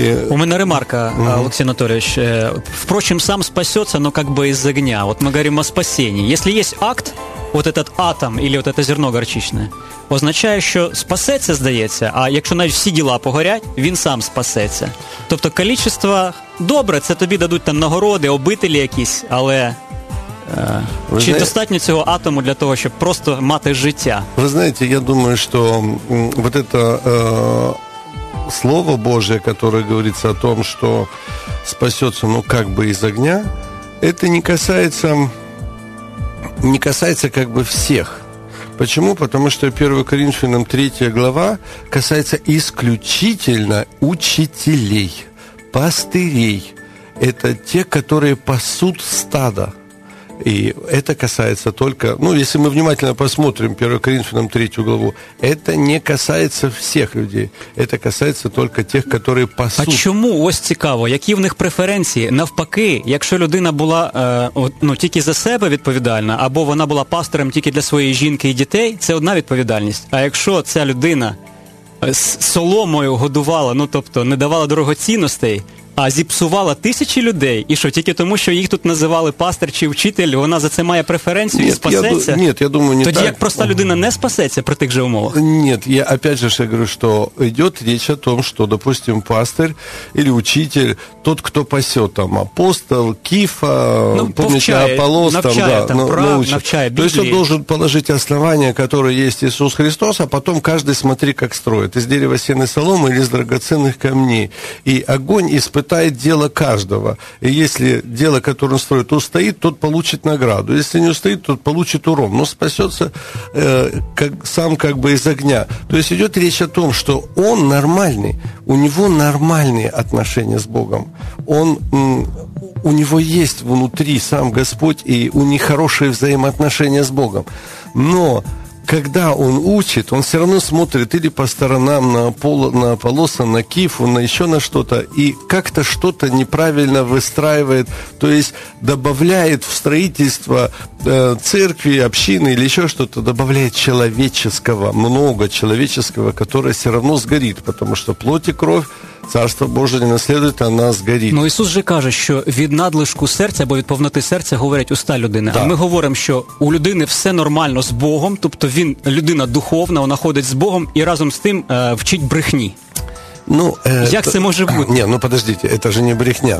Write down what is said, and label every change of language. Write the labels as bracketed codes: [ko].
[ru] У меня ремарка, Алексей Анатольевич. Впрочем, сам спасется, но как бы из огня. Вот мы говорим о спасении. Если есть акт, вот этот атом или вот это зерно горчичное, [uk] означає, що спасеться, здається, а якщо навіть всі діла погорять, він сам спасеться. Тобто количество добре, це тобі дадуть там нагороди, обителі якісь, але достатньо цього атому для того, щоб просто мати життя? Ви знаєте, я думаю, що [ru] вот это слово Божье, которое говорится о том, что спасется, ну, как бы из огня, это не касается как бы всех. Почему? Потому что 1 Коринфянам 3 глава касается исключительно учителей, пастырей. это те, которые пасут стадо. И это касается только, ну, если мы внимательно посмотрим 1 Коринфянам 3 главу, это не касается всех людей, это касается только тех, которые пасут. [uk] А чому, ось цікаво, які в них преференції? Навпаки, якщо людина була ну, тільки за себе відповідальна, або вона була пастором тільки для своєї жінки і дітей, це одна відповідальність. А якщо ця людина з соломою годувала, ну, тобто не давала дорогоцінностей, а зіпсувала тисячі людей, і що, тільки тому, що їх тут називали пастир чи вчитель, вона за це має преференцію і спасеться? Ні, я думаю, не тоді, так. Як проста людина не спасеться при тих же умовах? Ні, я, [ru] опять же, [uk] я говорю, що йде річ о том, що, допустим, пастир или учитель, тот, хто пасе, там, апостол, кіфа, ну, [ru] помните, [uk] Аполлос, там, да, навчає, навчає Біблії. Тобто, він має положити основання, которое є Ісус Христос, [ru] а потом каждый смотри, как строит. Из дерева сена соломы или из драгоценных камней. И огонь из пытает дело каждого. И если дело, которое он строит, устоит, тот получит награду. Если не устоит, тот получит урон. Но спасется как, сам как бы из огня. То есть идет речь о том, что он нормальный. У него нормальные отношения с Богом. Он, у него есть внутри сам Господь, и у них хорошие взаимоотношения с Богом. Но когда он учит, он все равно смотрит или по сторонам, на пол, на полоса, на кифу, на еще на что-то, и как-то что-то неправильно выстраивает, то есть добавляет в строительство церкви, общины или еще что-то, добавляет человеческого, много человеческого, которое все равно сгорит, потому что плоть и кровь Царство Боже [uk] не наслідується, а нас згоріть. Ну, Ісус же каже, що від надлишку серця або від повноти серця говорять уста людини. [ru] Да. [uk] А ми говоримо, що у людини все нормально з Богом, тобто він людина духовна, вона ходить з Богом і разом з тим вчить брехні. Ну, як це може бути? Ні, ну [ru] подождите, [uk] це ж не брехня.